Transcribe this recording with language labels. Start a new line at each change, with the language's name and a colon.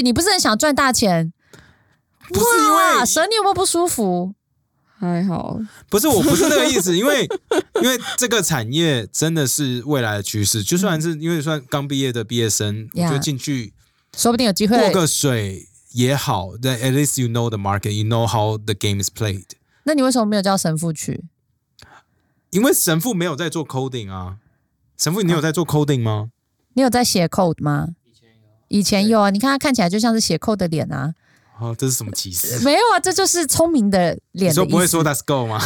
Chinese: 你不是很想赚大钱？不是因为蛇，你有没有不舒服？还好，不是，我不是那个意思，因为这个产业真的是未来的趋势，就算是因为算刚毕业的毕业生，yeah, 就进去，说不定有机会过个水也好。
English: 但 at least you know the market, you know how the game is played。
Chinese: 那你为什么没有叫神父去？因为神父没有在做 coding 啊。神父，你有在做 coding 吗？你有在写 code 吗？以前有，以前有啊。你看他看起来就像是写 code 的脸啊。哦，这是什么歧视？没有啊，这就是聪明的脸的意思。你说不会说
English: Let's go
Chinese: 吗？